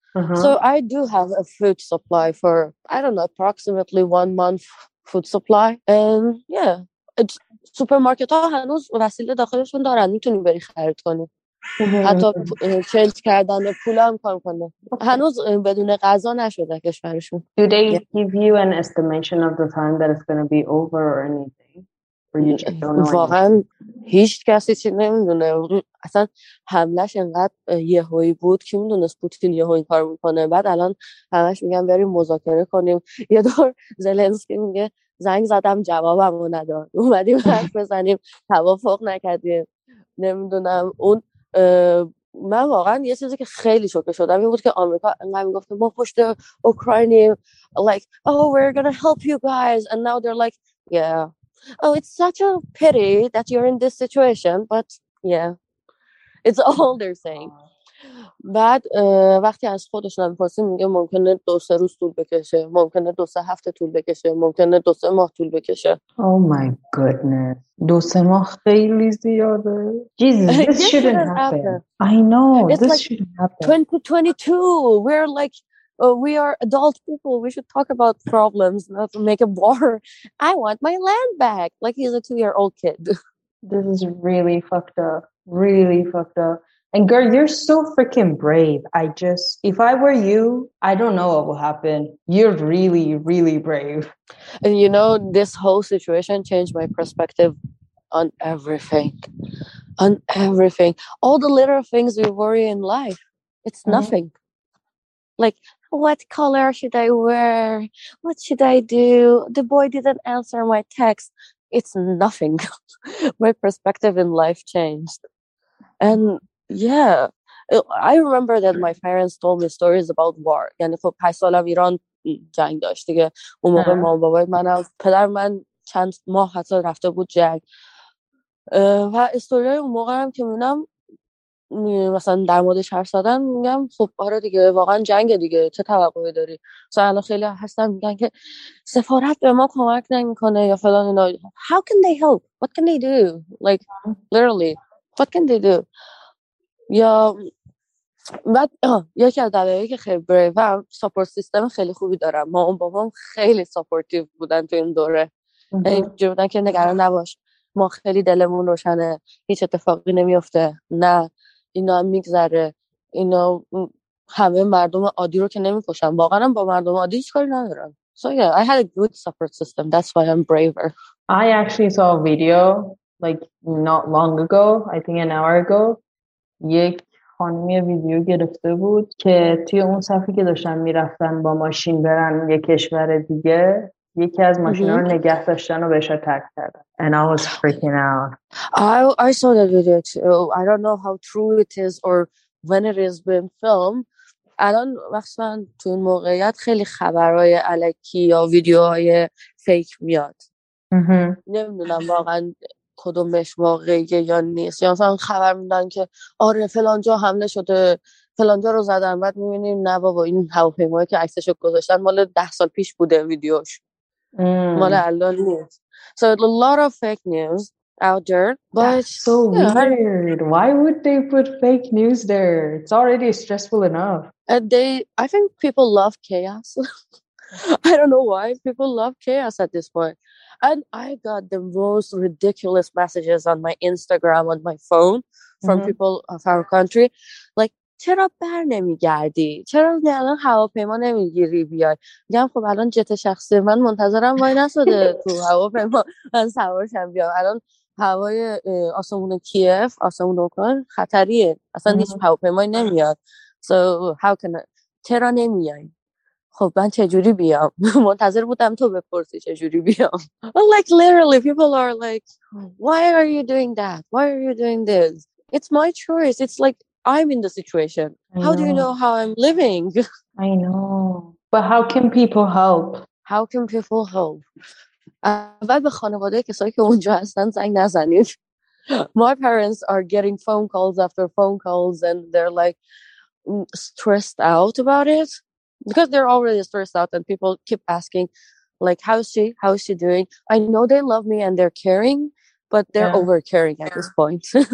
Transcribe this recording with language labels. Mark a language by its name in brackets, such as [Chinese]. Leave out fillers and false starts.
[English] So I do have a food supply for I don't know approximately 1 month food supply and yeah supermarket [Persian] ها هنوز وسیله داخلشون دارن میتونی بری خرید کنی. حتی چلت کردن پول هم کار کنه. هنوز بدون غذا نشده کشورشون. [English] Do they give you an estimation of the time that it's going to be over or anything? Or you just don't know [Persian] anything? هیچ کسی چی نمیدونه. اصلا حملش انقدر یهویی بود که میدونست پوتین یهویی کار میکنه. بعد الان همش میگن بریم مذاکره کنیم. یه دور زلنسکی میگه زنگ زدم جوابم رو ندار. اومدیم حرف بزنیم. توافق نکردیم. نمیدونم اون من واقعا یه چیزی که خیلی شوکه شدم این بود که آمریکا انقدر میگفت ما پشت اوکراینی [English] like oh we're gonna help you guys and now they're like yeah oh it's such a pity that you're in this situation but yeah it's all they're saying. [Persian] بعد وقتی از خودش نمیپرسیم میگه ممکنه 2-3 روز طول بکشه، ممکنه 2-3 هفته طول بکشه، ممکنه 2-3 ماه طول بکشه. [English] Oh my goodness. [Persian] 2-3 ماه خیلی زیاده. [English] Jesus, this shouldn't happen. I know, this shouldn't happen. 2022, we're like, we are adult people. We should talk about problems, not make a war. I want my land back. Like he's a 2-year-old kid. This is really fucked up. Really fucked up. And girl, you're so freaking brave. I just, if I were you, I don't know what will happen. You're really, really brave. And you know, this whole situation changed my perspective on everything. On everything. All the little things we worry in life, it's nothing. Like, what color should I wear? What should I do? The boy didn't answer my text. It's nothing. My perspective in life changed. And yeah, I remember that my parents told me stories about war. [Persian] یعنی خب 8 سالم ایران جنگ داشت دیگه. اون موقع مام بابای منم پدر من چند ماه حتی رفته بود جنگ. و استوریای اون موقع هم که میبینم مثلا در موردش حرف زدن میگم خب آره دیگه واقعا جنگ دیگه چه توقعی داری؟ مثلا خیلی هستن میگن که سفارت به ما کمک نمیکنه یا فلان اینا. [English] How can they help? What can they do? Like literally, what can they do? [Persian] یا بعد یکی از دلایلی که خیلی بریوم ساپورت سیستم خیلی خوبی دارم. مامان بابام خیلی ساپورتیو بودن تو این دوره. اینجوری بودن که نگران نباش ما خیلی دلمون روشنه هیچ اتفاقی نمیفته. نه اینا هم میگذره. اینا همه مردم عادی رو که نمیکشن. واقعا با مردم عادی هیچ کاری ندارم. [English] So yeah, I had a good support system. That's why I'm braver. I actually saw a video like not long ago, I think an hour ago. [Persian] یک خانمی ویدیو گرفته بود که توی اون صفی که داشتن میرفتن با ماشین برن یه کشور دیگه یکی از ماشینا رو نگه داشتن و بهش اتک کردن. [English] And I was freaking out. I saw that video too. I don't know how true it is or when it is being filmed. [Persian] الان مخصوصا تو این موقعیت خیلی خبرهای الکی یا ویدیوهای فیک میاد. نمیدونم واقعا کدومش واقعیه یا نیست. یا مثلا خبر میدن که آره فلان جا حمله شده، فلان جا رو زدن، بعد میبینیم نه بابا این هواپیمایی که عکسش رو گذاشتن مال 10 سال پیش بوده ویدیوش. مال الان نیست. [English] So a lot of fake news out there. That's so weird. Why would they put fake news there? It's already stressful enough. I think people love chaos. I don't know why people love chaos at this point. And I got the most ridiculous messages on my Instagram, on my phone, from people of our country. [Persian] Like, چرا بر نمیگردی؟ چرا الان هواپیما نمیگیری بیای؟ میگم خب الان جت شخصی من منتظرم وای نساده تو هواپیما من سوارشم بیام. الان هوای آسمون کیف، آسمون اوکراین خطریه. اصلا هیچ هواپیمایی نمیاد. [English] So how can I... [Persian] چرا نمیای؟ خب من چجوری بیام؟ منتظر بودم تو بپرسی چجوری بیام. [English] Well, like literally people are like, why are you doing that? Why are you doing this? It's my choice. It's like I'm in the situation. How do you know how I'm living? I know. But how can people help? How can people help? [Persian] اول به خانواده کسایی که اونجا هستن زنگ نزنید. [English] My parents are getting phone calls after phone calls and they're like stressed out about it. Because they're already stressed out and people keep asking like, how is she? How is she doing? I know they love me and they're caring, but they're over caring at this point.